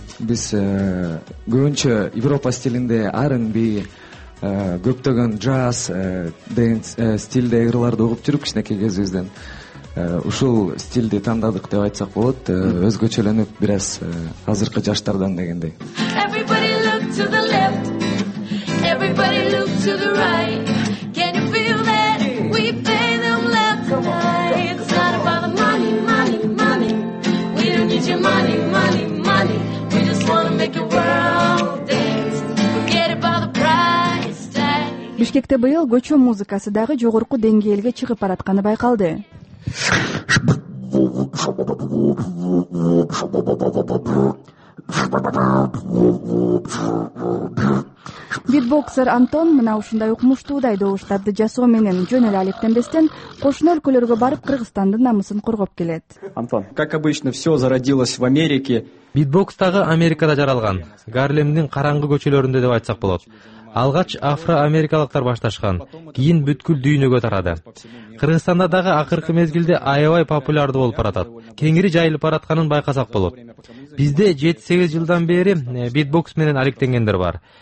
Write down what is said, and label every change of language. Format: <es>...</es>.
<ky>Биз көбүнчө Европа стилинде R&B, көптөгөн джаз, дэнс стилде ырларды угуп жүрүп кичинекей кезибизден ушул стилди тандадык деп айтсак болот, өзгөчөлөнүп бир аз азыркы жаштардан дегендей.</ky> <en>Everybody look to the left, everybody look to the right. Can you feel that we pay them left tonight? It's not about the money, money, money. We don't need your money, money, money. We just wanna make your world dance. Forget about the price tag.</en> <ky>Бишкекте быйыл көчө музыкасы дагы жогорку деңгээлге чыгып баратканы байкалды. Битбоксер Антон мына ушундай укмуштуудай добуштарды жасоо менен жөн эле алектенбестен кошуна өлкөлөргө барып Кыргызстандын намысын коргоп келет.</ky> <ru>Антон, как обычно, все зародилось в Америке.</ru> <ky>Битбокстагы Америкада жаралган, Гарлемдин караңгы көчөлөрүндө деп айтсак болот. Алгач афроамерикалыктар башташкан, кийин бүткүл дүйнөгө тарады. Кыргызстанда дагы акыркы мезгилде аябай популярдуу болуп баратат. Кеңири жайылып баратканын байкасак болот. Бизде 7-8 жылдан бери битбокс менен алектенгендер бар.</ky>